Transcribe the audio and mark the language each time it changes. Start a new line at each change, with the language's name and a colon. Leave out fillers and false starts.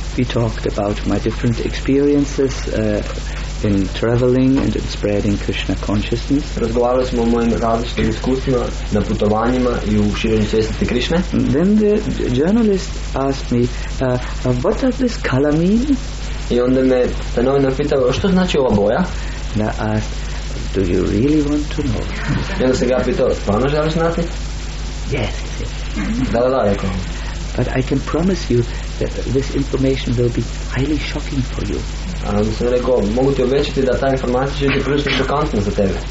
English: We talked about my different experiences in traveling and in spreading Krishna consciousness.
Croatian: Razgovarali smo o mojim različitim iskustvima na putovanjima i u širenju svjesnosti Krishne.
English: Then the journalist asked me, what does this color mean?
Croatian: I onda me taj novinar pitao, što znači ova boja?
English: And I asked, do you really want to know?
Croatian: I onda se ga pitao, stvarno želiš znati?
English: Yes.
Croatian: Da, rekao.
English: But I can promise you that this information will be highly shocking for you.
Croatian: Sam rekao, mogu ti obećati da ta informacija će biti prilično šokantna za tebe.